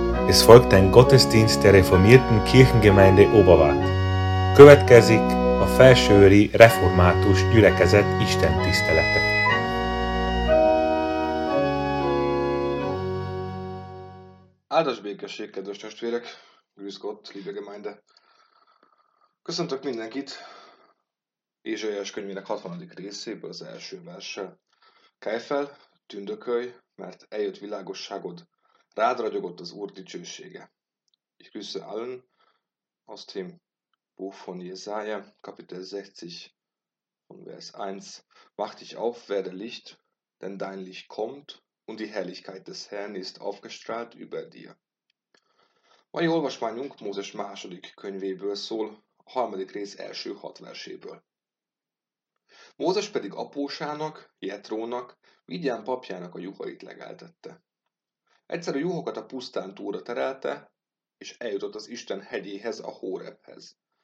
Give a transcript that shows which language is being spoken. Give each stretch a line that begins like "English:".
German: Es folgt ein Gottesdienst der reformierten Kirchengemeinde Oberwart.
Hungarian: Következik a Felsőőri Református Gyülekezet istentisztelete. Áldás békesség, kedves testvérek,
German: Grüß Gott, liebe Gemeinde.
Hungarian: Köszöntök mindenkit Ézsaiás könyvének 60. részéből az első verse. Kelj fel, tündökölj, mert eljött világosságod, rád ragyogott az Úr dicsősége.
German: Ich grüße allen aus dem Buch von Jesaja, Kapitel 60, und Vers 1. Mach dich auf, werde Licht, denn dein Licht kommt und die Herrlichkeit des Herrn ist aufgestrahlt über dir.
Hungarian: Mai olvasmányunk Mózes második könyvéből szól, a harmadik rész első 6 verséből. Mózes pedig apósának, Jetrónak, Midján papjának a juhait legeltette. Egyszer a juhokat a pusztán túlra terelte, és eljutott az Isten hegyéhez, a Hórebhez.